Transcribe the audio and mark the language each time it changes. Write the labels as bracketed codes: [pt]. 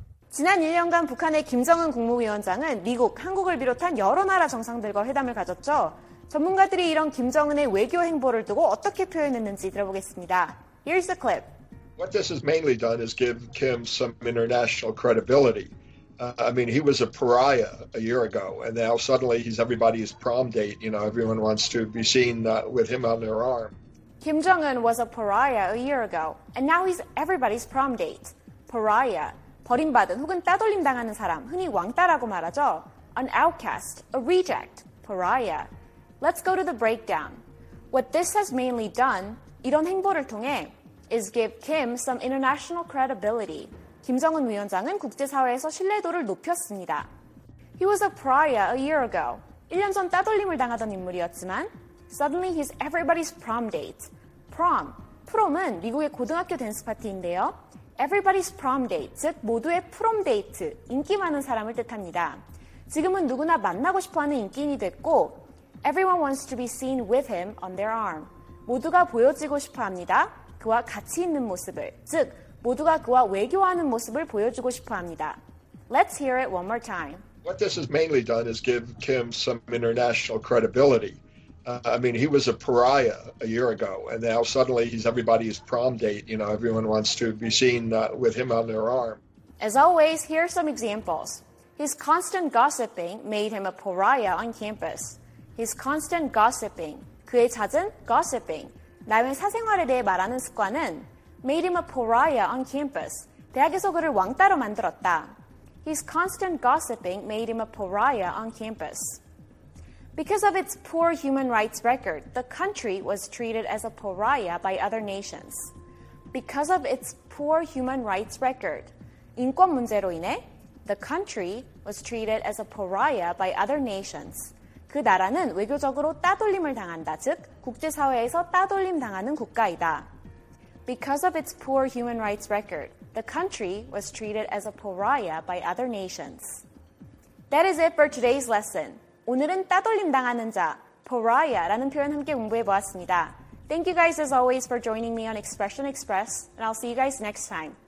[ko] 지난 1년간 북한의 김정은 국무위원장은 미국, 한국을 비롯한 여러 나라 정상들과 회담을 가졌죠. 전문가들이 이런 김정은의 외교 행보를 두고 어떻게 표현했는지 들어보겠습니다. [en] Here's the clip. What this has mainly done is give Kim some international credibility. I mean, he was a pariah a year ago, and now suddenly he's everybody's prom date. You know, everyone wants to be seen with him on their arm. Kim Jong-un was a pariah a year ago, and now he's everybody's prom date. [ko] Pariah, 버림받은 혹은 따돌림당하는 사람, 흔히 왕따라고 말하죠. [en] An outcast, a reject, pariah. Let's go to the breakdown. What this has mainly done, [ko] 이런 행보를 통해, [en] is give Kim some international credibility. [ko] 김정은 위원장은 국제사회에서 신뢰도를 높였습니다. [en] He was a pariah a year ago. [ko] 1년 전 따돌림을 당하던 인물이었지만, [en] suddenly he's everybody's prom date. [ko] Prom, prom은 미국의 고등학교 댄스 파티인데요. [en] Everybody's prom date, [ko] 즉 모두의 prom date, 인기 많은 사람을 뜻합니다. 지금은 누구나 만나고 싶어하는 인기인이 됐고, [en] everyone wants to be seen with him on their arm. [ko] 모두가 보여지고 싶어합니다. 그와 같이 있는 모습을, 즉 모두가 그와 외교하는 모습을 보여주고 싶어합니다. [en] Let's hear it one more time. What this has mainly done is give Kim some international credibility. I mean, he was a pariah a year ago, and now suddenly he's everybody's prom date. You know, everyone wants to be seen with him on their arm. As always, here are some examples. His constant gossiping made him a pariah on campus. His constant gossiping, [ko] 그의 잦은 [en] gossiping, [ko] 남의 사생활에 대해 말하는 습관은 [en] made him a pariah on campus. [ko] 대학에서 그를 왕따로 만들었다. [en] His constant gossiping made him a pariah on campus. Because of its poor human rights record, the country was treated as a pariah by other nations. Because of its poor human rights record, [ko] 인권 문제로 인해, [en] the country was treated as a pariah by other nations. [ko] 그 나라는 외교적으로 따돌림을 당한다, 즉 국제사회에서 따돌림 당하는 국가이다. [en] Because of its poor human rights record, the country was treated as a pariah by other nations. That is it for today's lesson. [ko] 오늘은 따돌림 당하는 자, pariah라는 표현 함께 공부해 보았습니다. [en] Thank you guys as always for joining me on Expression Express, and I'll see you guys next time.